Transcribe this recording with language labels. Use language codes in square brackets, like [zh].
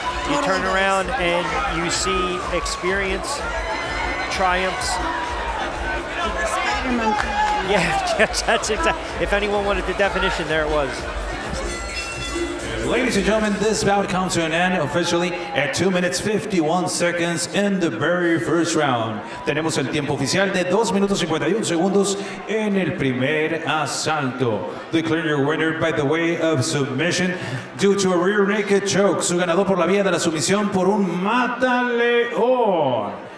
[en] You turn around and you see experience, triumphs. The spider monkey. Yeah, that's exactly. If anyone wanted the definition, there it was. Ladies and gentlemen, this bout comes to an end officially at 2 minutes 51 seconds in the very first round. [es] Tenemos el tiempo oficial de 2 minutos 51 segundos en el primer asalto. [en] Declare your winner by the way of submission due to a rear naked choke. [es] Su ganador por la vía de la sumisión por un mata león.